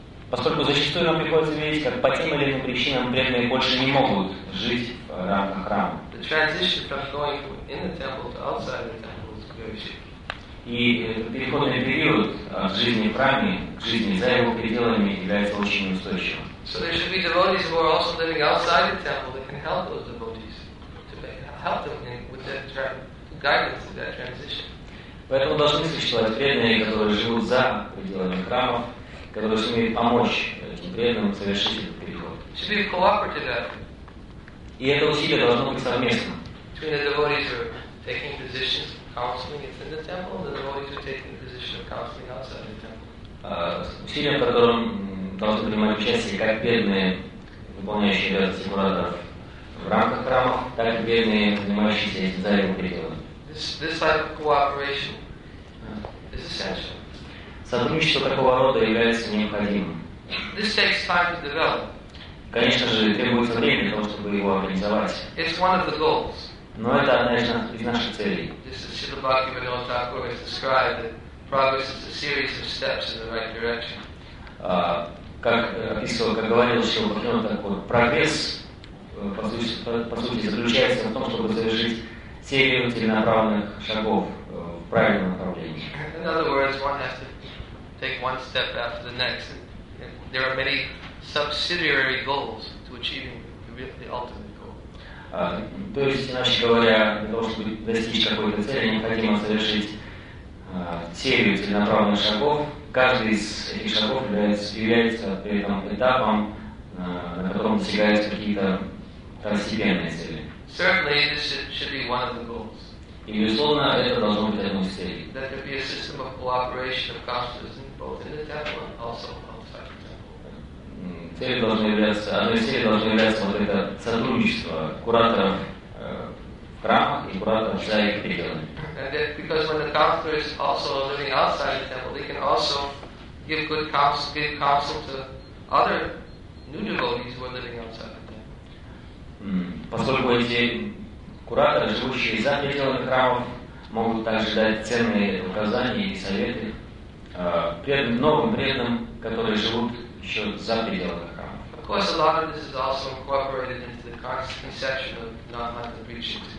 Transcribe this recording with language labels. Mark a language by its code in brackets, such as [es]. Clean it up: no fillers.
[ru] Поскольку зачастую нам приходится видеть, как по тем или иным причинам преданные больше не могут жить в рамках храма. [en] The transition from going in the temple to outside the temple is very short. [ru] И переходный период от жизни в храме к жизни за его пределами является очень неустойчивым. [en] So there should be devotees who are also living outside the temple that can help those devotees to help them with that guidance of that transition. [ru] Поэтому должны существовать преданные, которые живут за пределами храмов, которые сумеют помочь этим преданным совершить этот переход. [en] Should be a cooperative effort. [ru] И это усилие должно быть совместным. [en] Between the devotees who are taking positions of counseling within the temple and the devotees who are taking the position of counseling outside the temple. [ru] Усилием, которым должны принимать участие как преданные, выполняющие обязанности кураторов в рамках храмов, так и преданные, занимающиеся этим за его пределами. [en] This type of cooperation is essential. [ru] Сотрудничество такого рода является необходимым. [en] This takes time to develop. [ru] Конечно же, требуется время для того, чтобы его организовать. [en] It's one of the goals. [ru] Но это одна из наших целей. [en] This is Srila Bhaktivinoda Thakur has described that progress is a series of steps in the right direction. [ru] Как говорил Srila Bhaktivinoda Thakur, прогресс, по сути, заключается в том, чтобы завершить серию целенаправленных шагов в правильном направлении. [en] In other words, one has to take one step after the next. There are many subsidiary goals to achieving the ultimate goal. [ru] То есть, иначе говоря, для того, чтобы достичь какой-то цели, необходимо совершить серию целенаправленных шагов. Каждый из этих шагов является при этом этапом, на котором достигаются какие-то второстепенные цели. [en] Certainly, this should be one of the goals. [ru] И, безусловно, это должно быть одной из целей. [en] That there be a system of cooperation of counselors both in the temple and also outside the temple. [ru] Одной из целей должно являться вот это сотрудничество кураторов в храмах и кураторов за их пределами. [en] And that because when the counselor is also living outside the temple, they can also give good counsel, give counsel to other new devotees who are living outside the temple. [ru] Поскольку эти Кураторы, живущие за пределами храмов, могут также дать ценные указания и советы преданным, новым преданным, которые живут еще за пределами храмов. [en] Of course, a lot of this is also incorporated into the conception of non-mental preaching.